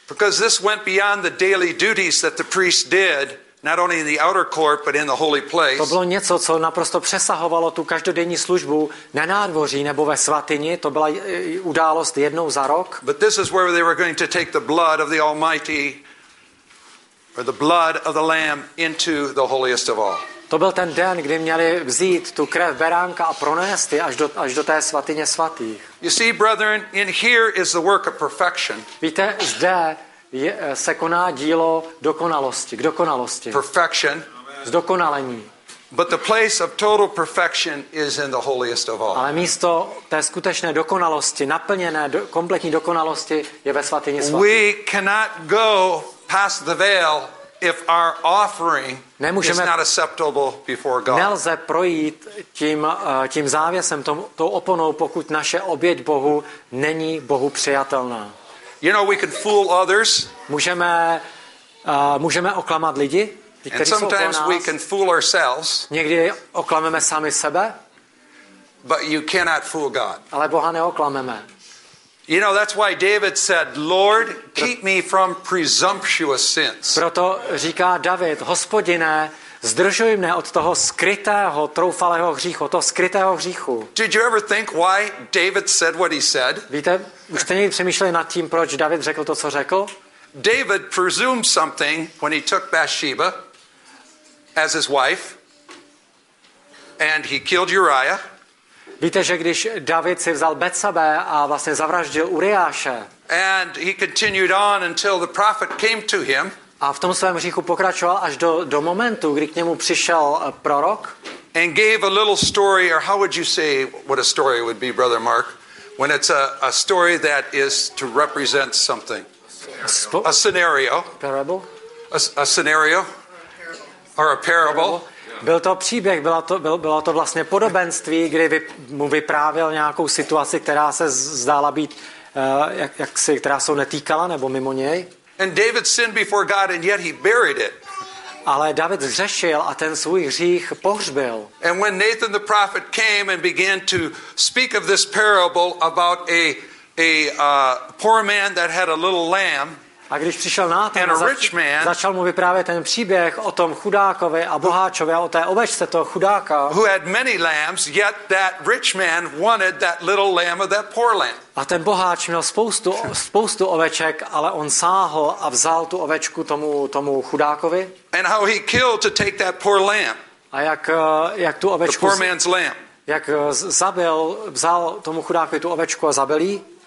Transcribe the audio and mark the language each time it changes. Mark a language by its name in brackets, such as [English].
[English] Because this went beyond the daily duties that the priest did, not only in the outer court, but in the holy place. [Czech] To bylo něco, co naprosto přesahovalo tu každodenní službu na nádvoří nebo ve svatyni. To byla událost jednou za rok. [English] But this is where they were going to take the blood of the Almighty or the blood of the Lamb into the holiest of all. [Czech] To byl ten den, kdy měli vzít tu krev beránka a pronést ji až do té svatyně svatých. [English] You see, brethren, in here is the work of perfection. [Czech] Víte, zde se koná dílo dokonalosti. [English] Perfection. [Czech] Zdokonalení. [English] But the place of total perfection is in the holiest of all. [Czech] Ale místo té skutečné dokonalosti, naplněné kompletní dokonalosti, je ve svatyni svatých. [English] We cannot go past the veil if our offering [Czech] nemůžeme, [English] is not acceptable before God. [Czech] Nelze projít tím závěsem, tou oponou, pokud naše oběť Bohu není Bohu přijatelná. [English] You know, we can fool others. [Czech] Můžeme oklamat lidi. [English] And sometimes we can fool ourselves. [Czech] Někdy oklameme sami sebe. [English] But you cannot fool God. [Czech] Ale Boha neoklameme. [English] You know, that's why David said, Lord, keep me from presumptuous sins. [Czech] Proto říká David, Hospodine, zdržuj mne od toho skrytého, troufalého hříchu, toho skrytého hříchu. [English] Did you ever think why David said what he said? [Czech] Víte, už jste někdy přemýšleli nad tím, proč David řekl to, co řekl? [English] David presumed something when he took Bathsheba as his wife and he killed Uriah. [Czech] Víte, že když David si vzal Betsabe a vlastně zavraždil Uriáše. [English] And he continued on until the prophet came to him. [Czech] A v tom svém hříchu pokračoval až do momentu, kdy k němu přišel prorok. [English] And gave a little story, or how would you say what a story would be, Brother Mark, when it's a story that is to represent something. A scenario. Parable. A scenario. Or a parable. [Czech] Byl to příběh, bylo to vlastně podobenství, kdy mu vyprávěl nějakou situaci, která se zdála být jaksi, která se netýkala nebo mimo něj. [English] And David sinned before God and yet he buried it. [Czech] Ale David zřešil a ten svůj hřích pohřbil. [English] And when Nathan the prophet came and began to speak of this parable about a poor man that had a little lamb. [Czech] A když přišel Nátan, začal mu vyprávět ten příběh o tom chudákovi a boháčovi a o té ovečce toho chudáka. [English] Who had many lambs, yet that rich man wanted that little lamb of that poor lamb. [Czech] A ten boháč měl spoustu oveček, ale on sáhl a vzal tu ovečku tomu chudákovi. [English] And how he killed to take that poor lamb. [Czech] A jak tu ovečku. [English] The poor man's lamb. [Czech] Jak zabil, vzal tomu chudákovi tu ovečku a zabil jí.